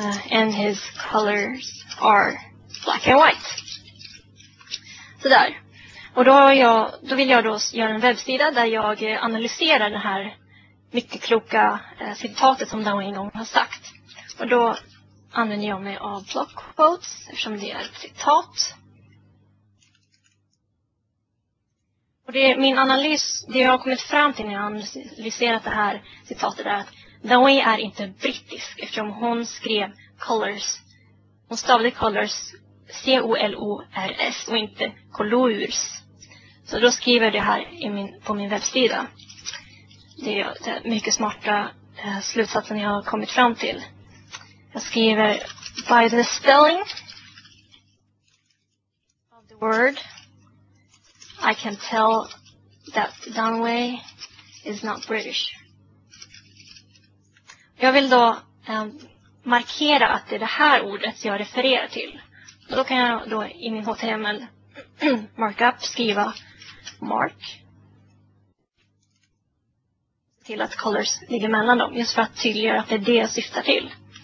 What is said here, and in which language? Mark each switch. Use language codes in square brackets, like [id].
[en] And his colors are black and white. [sv] Så där. Och då vill jag göra en webbsida där jag analyserar den här mycket kloka citatet som Dunway en gång har sagt. Och då använder jag mig av block quotes eftersom det är ett citat. Och det är min analys, det jag har kommit fram till när jag analyserat det här citatet är att Dunway är inte brittisk eftersom hon skrev colors. Hon stavade colors C-O-L-O-R-S och inte colours. Så då skriver jag det här på min webbsida. Det är den mycket smarta slutsatsen jag har kommit fram till. Jag skriver [en] by the spelling of the word I can tell that Dunway is not British. [sv] Jag vill då markera att det är det här ordet jag refererar till. Då kan jag då i min HTML markup skriva mark. Till att colors ligger mellan dem. Just för att tydliggöra att det är det jag syftar till.